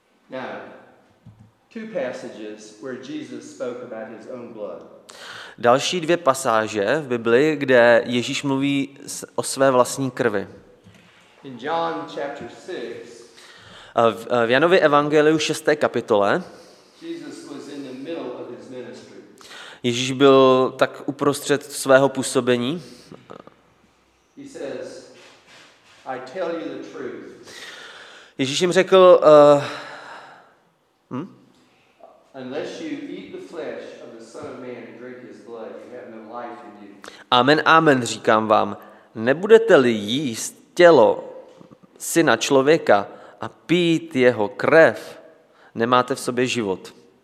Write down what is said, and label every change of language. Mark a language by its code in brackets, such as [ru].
[en] Now, two passages where Jesus spoke about his own blood. [cs] Další dvě pasáže v Biblii, kde Ježíš mluví o své vlastní krvi. [en] In John chapter 6. [cs] V Janově evangeliu 6. kapitole. [en] Jesus was in the middle of his ministry. [cs] Ježíš byl tak uprostřed svého působení. [en] He says, I tell you the truth. [cs] Ježíš jim řekl, [en] Unless you eat the flesh of the Son of Man and drink his blood, you have no life in you. [cs] Amen, amen, říkám vám, nebudete-li jíst tělo Syna člověka a pít jeho krev, nemáte v sobě život.